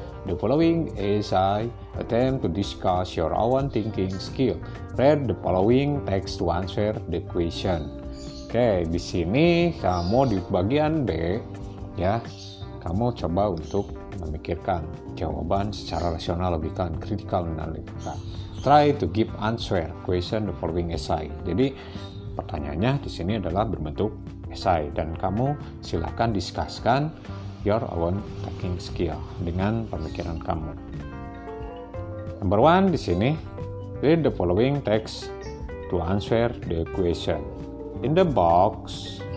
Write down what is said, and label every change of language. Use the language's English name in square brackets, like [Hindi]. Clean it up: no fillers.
[English] The following is I attempt to discuss your own thinking skill. Read the following text to answer the question. [Indonesian] Oke, di sini kamu di bagian B, ya, kamu coba untuk memikirkan jawaban secara rasional, logika, dan [English] critical analytical. Try to give answer question the following essay. [Indonesian] Jadi pertanyaannya di sini adalah berbentuk essay dan kamu silakan diskusikan [English] your own thinking skill [Indonesian] dengan pemikiran kamu. [English] Number one [Indonesian] di sini, [English] read the following text to answer the question. In the box.